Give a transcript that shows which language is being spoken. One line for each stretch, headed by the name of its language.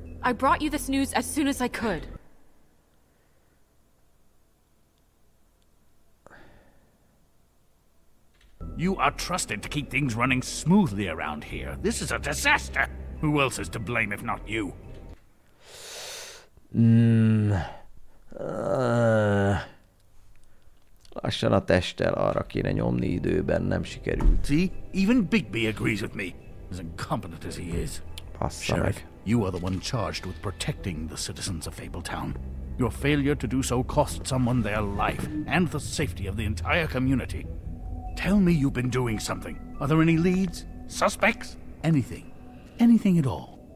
English: I brought you this news as soon as I could. You are trusted to keep things running smoothly around here. This is a disaster. Who else is to blame if not you?
Hungarian: Lassan a testtel, arra kéne nyomni időben, nem sikerült.
English: See? Even Bigby agrees with me, as incompetent as he is. Passa Sheriff,
Hungarian: meg.
English: You are the one charged with protecting the citizens of Fabletown. Your failure to do so cost someone their life and the safety of the entire community. Tell me you've been doing something. Are there any leads? Suspects? Anything. Anything at all.